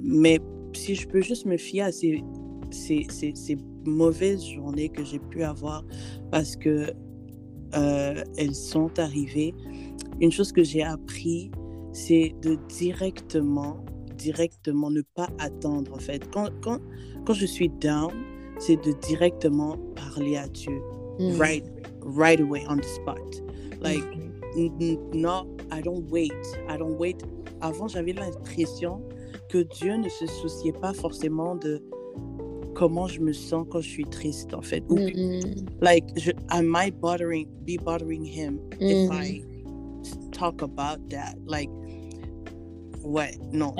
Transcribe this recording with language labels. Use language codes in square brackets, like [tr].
[fr] Mais si je peux juste me fier à ces mauvaises journées que j'ai pu avoir parce que elles sont arrivées, une chose que j'ai appris, c'est de directement ne pas attendre. En fait, quand je suis down, c'est de directement parler à Dieu, mm-hmm. [en] right away on the spot, like, mm-hmm. I don't wait. [fr] Avant, j'avais l'impression que Dieu ne se souciait pas forcément de comment je me sens quand je suis triste, en fait. Mm-hmm. [en] Like, I might be bothering him, mm-hmm. if I talk about that, like. [fr] Ouais, non,